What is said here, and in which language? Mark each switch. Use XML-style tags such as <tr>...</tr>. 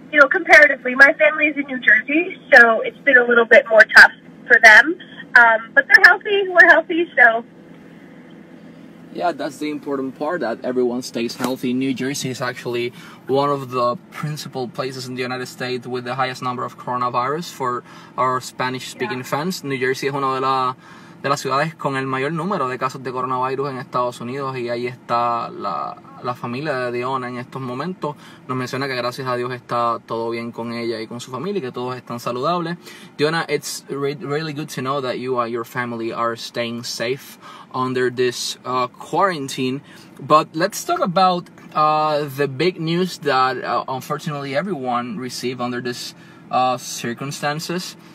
<en>Comparatively, my family is in New Jersey, so it's been a little bit more tough for them. But they're healthy. We're healthy, so. Yeah, that's the important part, that everyone stays healthy. New Jersey is actually one of the principal places in the United States with the highest number of coronavirus for our Spanish-speaking fans.</en> <es>New Jersey es una de las ciudades con el mayor número de casos de coronavirus en Estados Unidos, y ahí está la familia de Deonna en estos momentos. Nos menciona que gracias a Dios está todo bien con ella y con su familia, y que todos están saludables.</es> <en>Deonna, it's really good to know that you and your family are staying safe under this quarantine. But let's talk about the big news that unfortunately everyone received under this circumstances.</en>